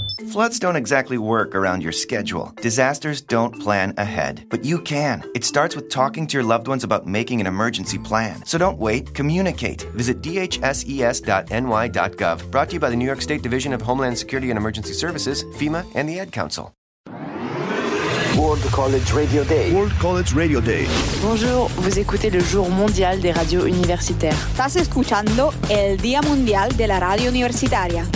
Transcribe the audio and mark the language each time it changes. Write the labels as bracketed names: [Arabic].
[English] Floods don't exactly work around your schedule. Disasters don't plan ahead. But you can. It starts with talking to your loved ones about making an emergency plan. So don't wait. Communicate. Visit dhses.ny.gov. Brought to you by the New York State Division of Homeland Security and Emergency Services, FEMA, and the Ed Council. World College Radio Day. World College Radio Day. [French] Bonjour, vous écoutez le jour mondial des radios universitaires. [Spanish] Estás escuchando el Día Mundial de la Radio Universitaria.